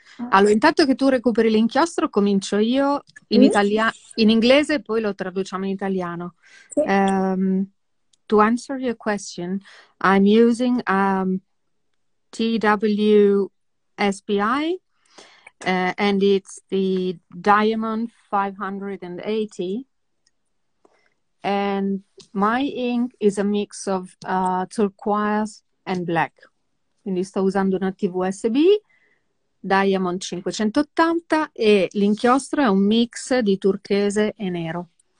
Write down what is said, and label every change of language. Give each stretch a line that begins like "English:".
Italian: Allora, intanto che tu recuperi l'inchiostro, comincio io in inglese e poi lo traduciamo in italiano.
English: To answer your question, I'm using TWSBI and it's the Diamond 580. And my ink is a mix of turquoise and black.
Italian: Quindi sto usando una TWSB. Diamond 580 e l'inchiostro è un mix di turchese e nero.